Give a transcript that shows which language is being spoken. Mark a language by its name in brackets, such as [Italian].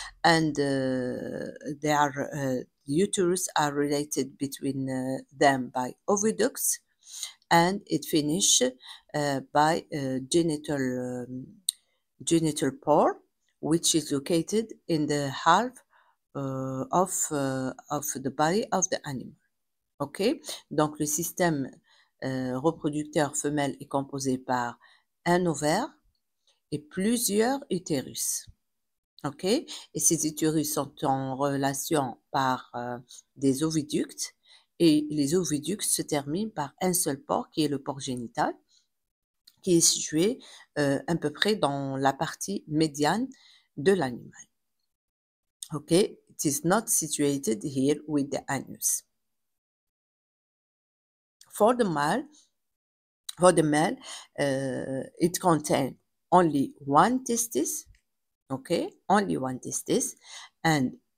[English] And they are uterus are related between them by oviducts, and it finishes by genital pore, which is located in the half of the body of the animal. [French] Okay, donc le système reproducteur femelle est composé par un ovaire et plusieurs utérus. Okay, et ces utérus sont en relation par des oviducts, et les oviducts se terminent par un seul pore qui est le pore génital, qui est situé à peu près dans la partie médiane de l'animal. [English] Okay, it is not situated here with the anus. For the male, it contains only one testis, okay, only one testis, and